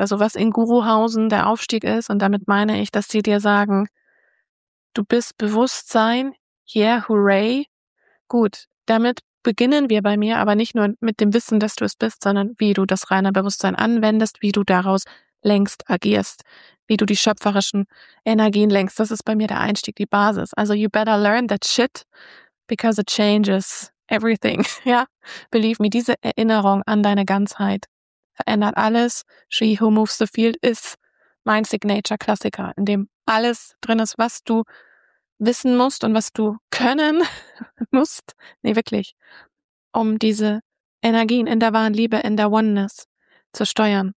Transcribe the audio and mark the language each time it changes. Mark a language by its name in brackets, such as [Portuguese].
[German] Also was in Guruhausen der Aufstieg ist. Und damit meine ich, dass sie dir sagen, du bist Bewusstsein. [English] Yeah, hooray. [German] Gut, damit beginnen wir bei mir, aber nicht nur mit dem Wissen, dass du es bist, sondern wie du das reine Bewusstsein anwendest, wie du daraus längst agierst, wie du die schöpferischen Energien lenkst. Das ist bei mir der Einstieg, die Basis. [English] Also you better learn that shit, because it changes everything. [German] Ja, [English] believe me, [German] diese Erinnerung an deine Ganzheit verändert alles. She Who Moves the Field ist mein Signature-Klassiker, in dem alles drin ist, was du wissen musst und was du können musst, nee, wirklich, um diese Energien in der wahren Liebe, in der Oneness zu steuern.